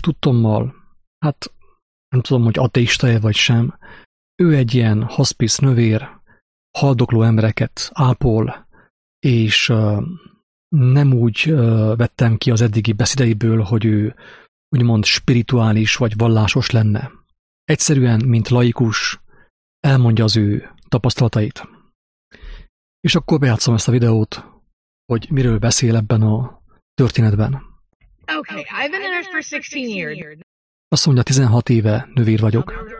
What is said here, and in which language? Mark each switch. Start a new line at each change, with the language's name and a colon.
Hungarian: Tudtommal, hát nem tudom, hogy ateista-e vagy sem, ő egy ilyen hospice nővér, haldokló embereket ápol, és nem úgy vettem ki az eddigi beszédeiből, hogy ő úgymond spirituális vagy vallásos lenne. Egyszerűen, mint laikus, elmondja az ő tapasztalatait. És akkor bejátszom ezt a videót, hogy miről beszél ebben a történetben.
English: Okay, I've been a nurse for 16 years.
Hungarian: Azt mondja, 16 éve nővér vagyok.